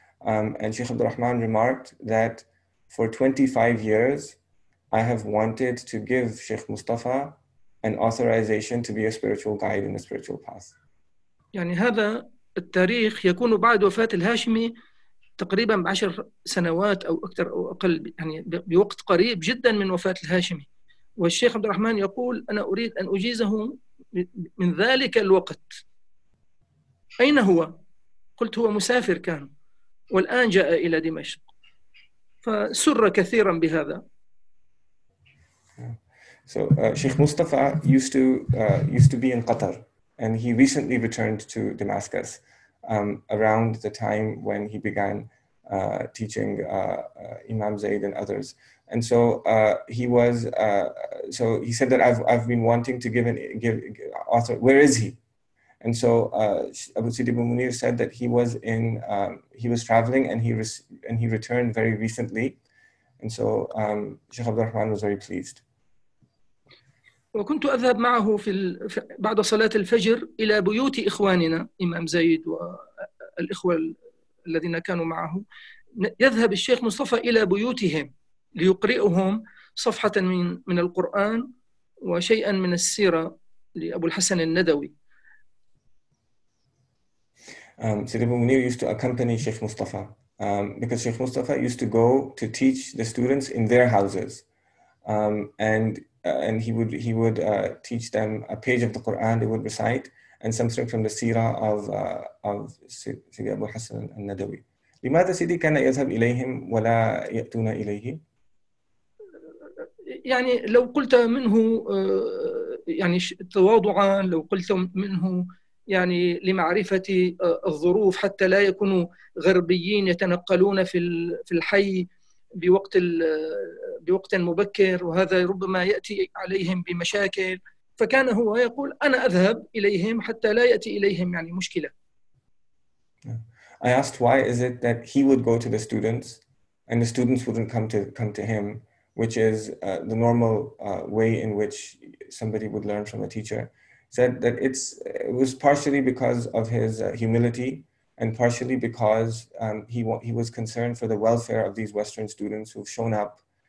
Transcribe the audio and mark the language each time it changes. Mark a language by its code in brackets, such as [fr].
[en] And Shaykh Abdurrahman remarked that for 25 years, I have wanted to give Shaykh Mustafa an authorization to be a spiritual guide in a spiritual path. [ar] يعني هذا التاريخ يكون بعد وفاة الهاشمي تقريبا بعشر سنوات أو أكثر أو أقل يعني بوقت قريب جدا من وفاة الهاشمي والشيخ عبد الرحمن يقول أنا أريد أن أجيزه من ذلك الوقت أين هو؟ قلت هو مسافر كان والآن جاء إلى دمشق فسر كثيرا بهذا. [en] So Sheikh Mustafa used to be in Qatar, and he recently returned to Damascus around the time when he began teaching Imam Zaid and others. And so he was. So he said that I've been wanting to give author. Where is he? And so Abu Sidi Abu Munir said that he was in. He was traveling, and he returned very recently. And so Sheikh Abd al-Rahman was very pleased. [ar] وكنت أذهب معه في بعد صلاة الفجر إلى بيوت إخواننا إمام زيد والإخوة الذين كانوا معه يذهب الشيخ مصطفى إلى بيوتهم ليقرئهم صفحة من القرآن وشيئا من السيرة لأبو الحسن الندوي. [en] سيدي أبو منير used to accompany Sheikh Mustafa because Sheikh Mustafa used to go to teach the students in their houses and he would teach them a page of the Quran. They would recite and some stuff from the Sirah of Sidi Abu Hassan al-Nadawi. [ar] لماذا سيدي كان يذهب إليهم ولا يأتون إليه؟ يعني لو قلت منه يعني تواضعا لو قلت منه يعني لمعرفة الظروف حتى لا يكونوا غربيين يتنقلون في الحي بوقت مبكر وهذا ربما يأتي عليهم بمشاكل فكان هو يقول أنا أذهب إليهم حتى لا يأتي إليهم يعني مشكلة. [en] I asked why is it that he would go to the students and the students wouldn't come to him, which is the normal way in which somebody would learn from a teacher. Said that it was partially because of his humility and partially because he was concerned for the welfare of these Western students who've shown up.